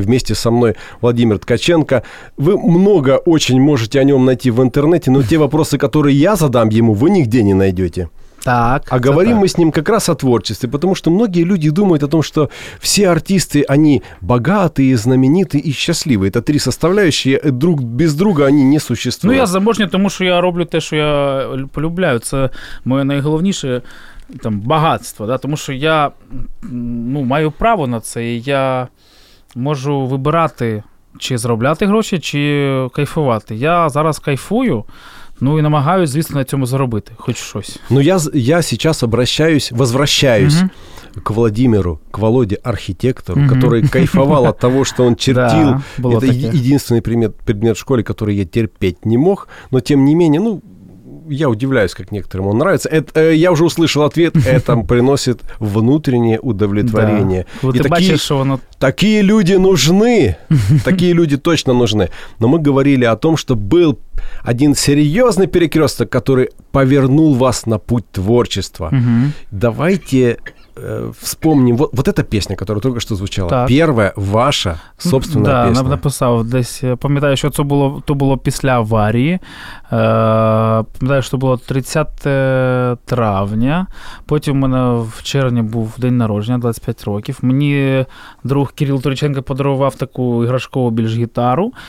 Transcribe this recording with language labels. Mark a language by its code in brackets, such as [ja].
[ru] Вместе со мной Владимир Ткаченко. Вы много очень можете о нем найти в интернете, но те вопросы, которые я задам ему, вы нигде не найдете. Так, а говорим мы с ним как раз о творчестве, потому что многие люди думают о том, что все артисты, они богатые, знаменитые и счастливые. Это три составляющие, друг без друга они не существуют. [uk] Ну, я заможний, тому що я роблю те, що я полюбляю. Це моє найголовніше там, багатство, да? Тому що я маю право на це, і я можу вибирати, чи заробляти гроші, чи кайфувати. Я зараз кайфую. Ну и намагаюсь, звісно, на цьому заробити хоч щось. [ru] Ну я сейчас обращаюсь, возвращаюсь к Владимиру, к Володе, архитектору, который кайфовал от того, что он чертил. Да, это единственный предмет в школе, который я терпеть не мог, но тем не менее, ну, я удивляюсь, как некоторым он нравится. Я уже услышал ответ, это приносит внутреннее удовлетворение. Да. Вот и ты такие, [uk] бачишь, [ru] что оно... такие люди нужны, такие люди точно нужны. Но мы говорили о том, что был один серьезный перекресток, который повернул вас на путь творчества. Угу. Давайте вспомним. Вот эта песня, которая только что звучала. Так. Первая ваша собственная да, песня. [uk] Да, написав десь. Пам'ятаю, що це було, то було після аварії. Пам'ятаю, що було 30 травня. Потім у мене в червні був день народження, 25 років. Мені друг Кирил Туриченко подарував таку іграшкову більш гітару.